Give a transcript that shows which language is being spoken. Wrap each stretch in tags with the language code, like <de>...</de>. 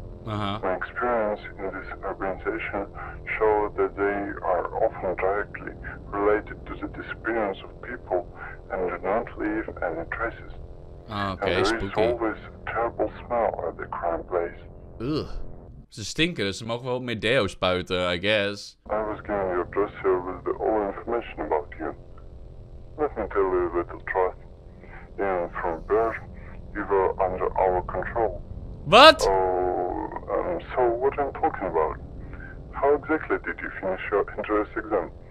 <en>Uh-huh. My experience in this organization showed that they are often directly related to the disappearance of people and do not leave any traces. Okay, and there spooky. Is always a terrible smell at the crime place. Ugh.</en> <nl>Ze stinken, dus ze mogen wel meer deo spuiten,</nl> <en>I guess. I was given your dossier with the all information about you. Let me tell you a little truth. Even from birth, you were under our control. What? So what I'm talking about? How exactly did you finish your interest exam?</en>